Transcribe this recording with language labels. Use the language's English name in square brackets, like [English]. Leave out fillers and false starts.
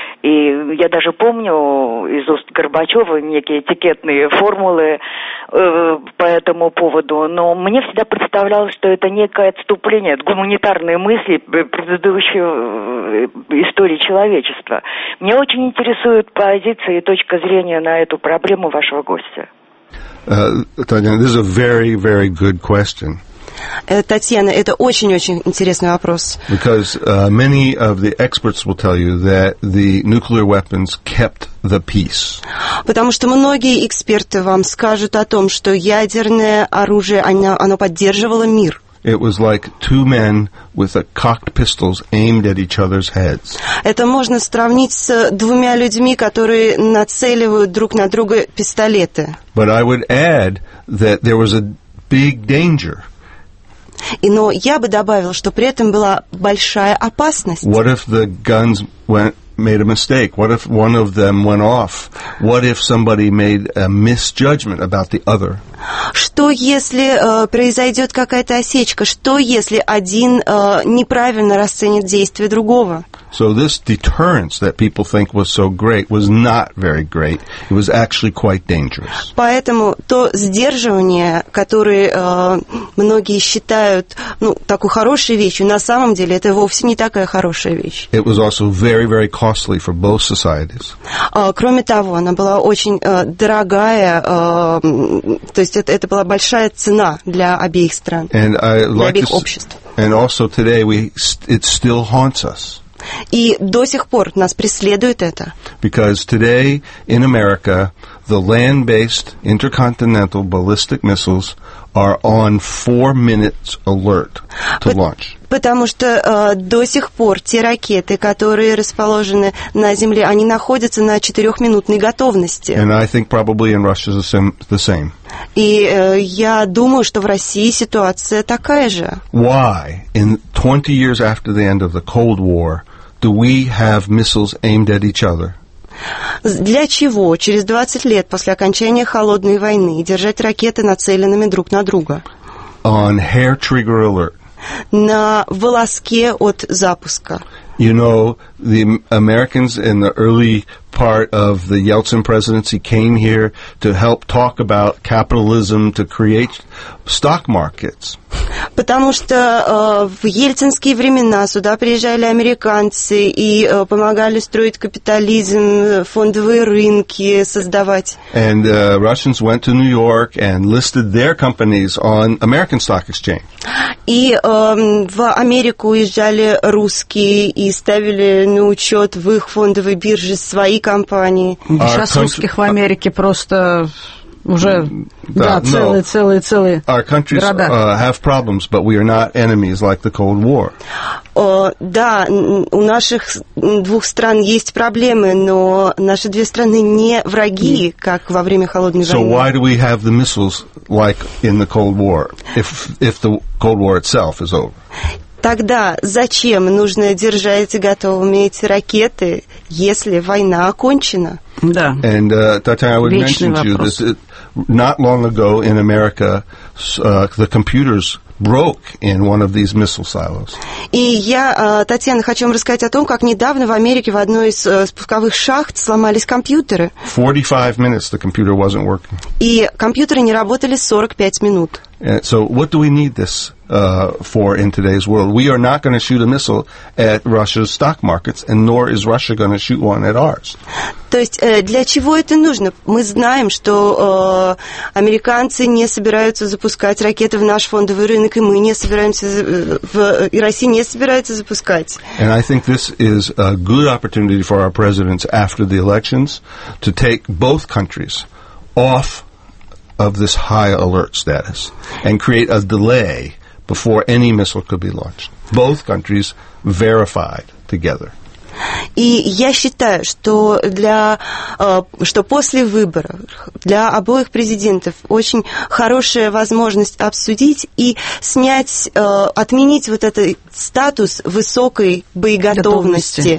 [Russian] И я даже помню из уст Горбачева некие этикетные формулы по этому поводу, но мне всегда представлялось, что это некое отступление от гуманитарной мысли предыдущей истории человечества. Меня очень интересует позиция и точка зрения на эту проблему вашего гостя. [English] Татьяна, this is a very, very good question. [Russian] Татьяна, это очень-очень интересный вопрос. [English] Because many of the experts will tell you that the nuclear weapons kept the peace. [Russian] Потому что многие эксперты вам скажут о том, что ядерное оружие, оно поддерживало мир. [English] It was like two men with cocked pistols aimed at each other's heads. [Russian] Это можно сравнить с двумя людьми, которые нацеливают друг на друга пистолеты. [English] But I would add that there was a big danger. [Russian] Но я бы добавил, что при этом была большая опасность. [English] What if the guns made a mistake? What if one of them went off? What if somebody made a misjudgment about the other? [Russian] Что если произойдет какая-то осечка? Что если один неправильно расценит действия другого? [English] So this deterrence that people think was so great was not very great. It was actually quite dangerous. [Russian] Поэтому то сдерживание, которое многие считают, ну, такой хорошей вещью, на самом деле это вовсе не такая хорошая вещь. [English] It was also very, very costly for both societies. [Russian] Кроме того, она была очень дорогая, то есть это была большая цена для обеих стран, для обеих обществ. [English] And also today it still haunts us. [Russian] И до сих пор нас преследует это. [English] Because today in America the land-based intercontinental ballistic missiles are on 4 minutes alert to launch. [Russian] Потому что до сих пор те ракеты, которые расположены на земле, они находятся на 4-минутной готовности. [English] And I think probably in Russia it's the same. [Russian] И я думаю, что в России ситуация такая же. [English] Why in 20 years after the end of the Cold War do we have missiles aimed at each other? [Russian] Для чего через 20 лет после окончания холодной войны держать ракеты нацеленными друг на друга? [English] On hair trigger alert. [Russian] На волоске от запуска. [English] You know, the Americans in the early part of the Yeltsin presidency came here to help talk about capitalism, to create stock markets. [Russian] Потому что в ельцинские времена сюда приезжали американцы и помогали строить капитализм, фондовые рынки создавать. [English] And Russians went to New York and listed their companies on American stock exchange. [Russian] И в Америку уезжали русские и ставили на учет в их фондовой бирже свои компании. Сейчас русских в Америке просто уже целые-целые-целые [English] Our countries have problems, but we are not enemies like the Cold War. [Russian] Да, у наших двух стран есть проблемы, но наши две страны не враги, как во время холодной войны. [English] So why do we have the missiles like in the Cold War, if the Cold War itself is over? [Russian] Тогда зачем нужно держать готовыми эти ракеты, если война окончена? Да. [English] And Татьяна, I would mention to you this: not long ago in America, the computers broke in one of these missile silos. [Russian] И я, Татьяна, хочу вам рассказать о том, как недавно в Америке в одной из спусковых шахт сломались компьютеры. [English] 45 minutes the computer wasn't working. [Russian] И компьютеры не работали 45 минут. [English] And so what do we need this for in today's world? We are not going to shoot a missile at Russia's stock markets, and nor is Russia going to shoot one at ours. [Russian] То есть для чего это нужно? Мы знаем, что американцы не собираются запускать ракеты в наш фондовый рынок, и мы не собираемся, и Россия не собирается запускать. [English] And I think this is a good opportunity for our presidents after the elections to take both countries off of this high alert status and create a delay before any missile could be launched. Both countries verified together. [Russian] И я считаю, что для что после выборов для обоих президентов очень хорошая возможность обсудить и снять, отменить вот этот статус высокой боеготовности.